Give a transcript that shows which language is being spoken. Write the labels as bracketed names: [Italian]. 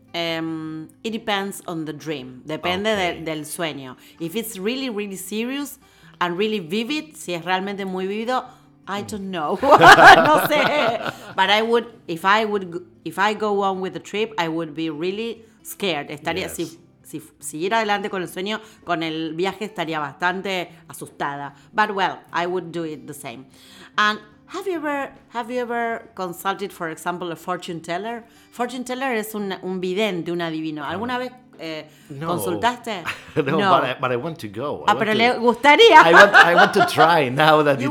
[English] It depends on the dream. [Spanish] Depende del sueño. [English] If it's really, really serious and really vivid, [Spanish] si es realmente muy vivido, [English] I don't know. [Spanish] No sé. [English] But I would, if I go on with the trip, I would be really scared. [Spanish] Estaría, yes. Si ir adelante con el sueño, con el viaje, estaría bastante asustada. [English] But well, I would do it the same. And Have you ever consulted, for example, a fortune teller? [Spanish] Fortune teller es un vidente, un adivino. ¿Alguna vez consultaste? [English] No. But I want to go. [Spanish] Le gustaría. [English] I want to try now that you